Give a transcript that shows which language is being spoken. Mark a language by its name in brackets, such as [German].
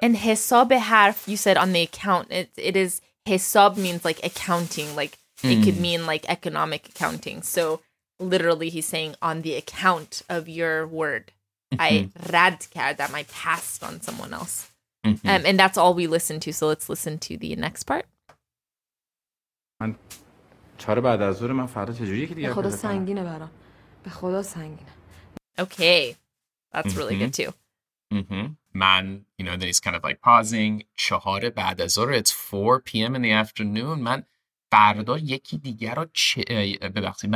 [English] and [Persian] حساب حرف, [English] you said on the account, it is, حساب means like accounting. Like it could mean like economic accounting. So literally he's saying on the account of your word, I [Persian] رد کردم, [English] I passed on someone else. And that's all we listen to, so let's listen to the next part. [Persian] من چهار بعد از ظهر من فردا چه جوری یکی دیگه به خدا سنگینه برام به خدا سنگینه [English] Okay, that's really good too. Man, you know, then he's kind of like pausing. [Persian] چهار بعد از ظهر, [English] it's 4 p.m. in the afternoon. [Persian] Man, فردا یکی دیگر رو ببخشید.